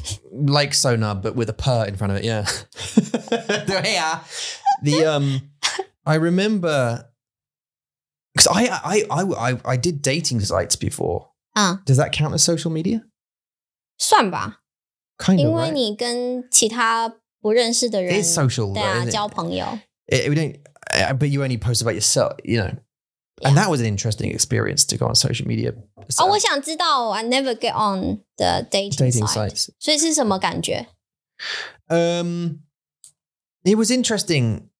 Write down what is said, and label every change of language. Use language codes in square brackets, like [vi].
[en] Like sauna, but with a per in front of it, yeah. There we are. The, I remember, because I did dating sites before. Does that count as social media? [zh] 算吧。 [en] Kind of, right? [zh] 因为你跟其他不认识的人。 [en] It's social, though, isn't it? [zh] 交朋友。 [en] We don't, but you only post about yourself, you know. Yeah. And that was an interesting experience to go on social media. So, oh, [zh] 我想知道, [en] I never get on the dating sites. [zh] 所以是什么感觉? [en] It was interesting.